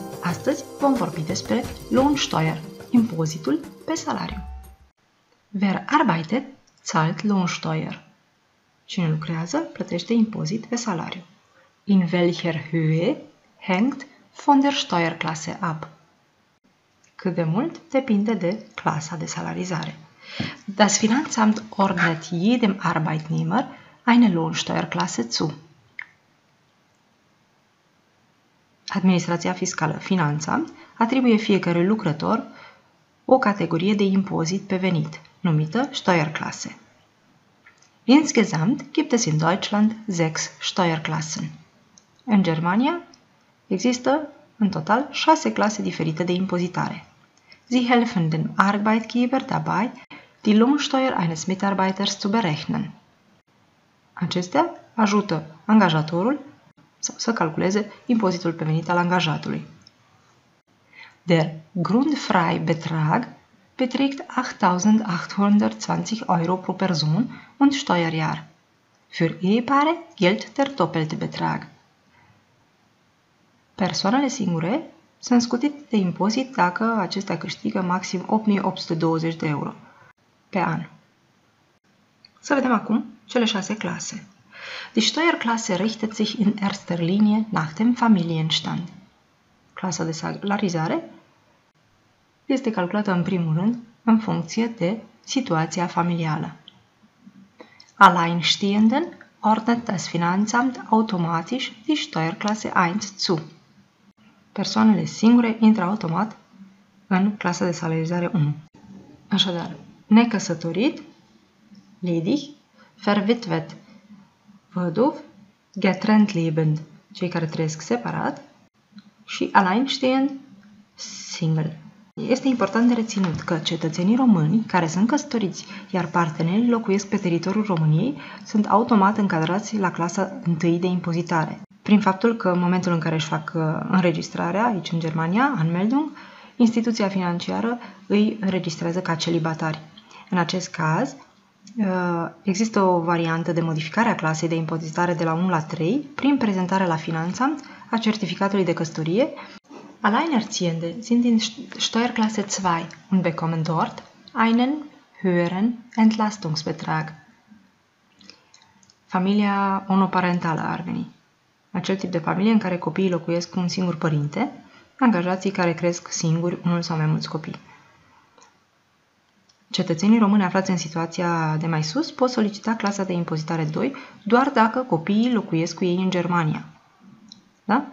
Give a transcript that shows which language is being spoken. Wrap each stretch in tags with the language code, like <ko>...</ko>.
<ro>Astăzi vom vorbi despre Lohnsteuer, impozitul pe salariu.</ro> <de>Wer arbeitet, zahlt Lohnsteuer.</de> <ro>Cine lucrează, plătește impozit pe salariu.</ro> <de>In welcher Höhe hängt von der Steuerklasse ab?</de> <ro>Cât de mult depinde de clasa de salarizare.</ro> <de>Das Finanzamt ordnet jedem Arbeitnehmer eine Lohnsteuerklasse zu.</de> <ro>Administrația fiscală, finanța, atribuie fiecărui lucrător o categorie de impozit pe venit, numită Steuerklasse.</ro> <de>Insgesamt gibt es in Deutschland 6 Steuerklassen.</de> <ro>În Germania există în total 6 clase diferite de impozitare.</ro> <de>Sie helfen dem Arbeitgeber dabei, die Lohnsteuer eines Mitarbeiters zu berechnen.</de> <ro>Acestea ajută angajatorul sau să calculeze impozitul pe venit al angajatului.</ro> <de>Der Grundfreibetrag beträgt 8.820 Euro pro Person und Steuerjahr. Für Ehepaare gilt der doppelte Betrag.</de> <ro>Persoanele singure sunt scutite de impozit dacă acestea câștigă maxim 8.820 de euro pe an. Să vedem acum cele 6 clase.</ro> <de>Die Steuerklasse richtet sich in erster Linie nach dem Familienstand.</de> <ro>Clasa de salarizare este calculată în primul rând în funcție de situația familială.</ro> <de>Alleinstehenden ordnet das Finanzamt automatisch die Steuerklasse 1 zu.</de> <ro>Persoanele singure intră automat în clasa de salarizare 1. Așadar, necăsătorit, ledig, verwitwet, văduv, getrennt lebend, cei care trăiesc separat, și alleinstehend, single. Este important de reținut că cetățenii români care sunt căsătoriți, iar partenerii locuiesc pe teritoriul României, sunt automat încadrați la clasa 1 de impozitare. Prin faptul că în momentul în care își fac înregistrarea aici în Germania, Anmeldung, instituția financiară îi înregistrează ca celibatari. În acest caz, există o variantă de modificare a clasei de impozitare de la 1 la 3 prin prezentarea la Finanzamt a certificatului de căsătorie.</ro> <de>Alleinerziehende sind in Steuerklasse 2 und bekommen dort einen höheren Entlastungsbetrag.</de> <ro>Familia monoparentală ar veni. Acel tip de familie în care copiii locuiesc cu un singur părinte, angajații care cresc singuri unul sau mai mulți copii. Cetățenii români aflați în situația de mai sus pot solicita clasa de impozitare 2 doar dacă copiii locuiesc cu ei în Germania. Da?</ro>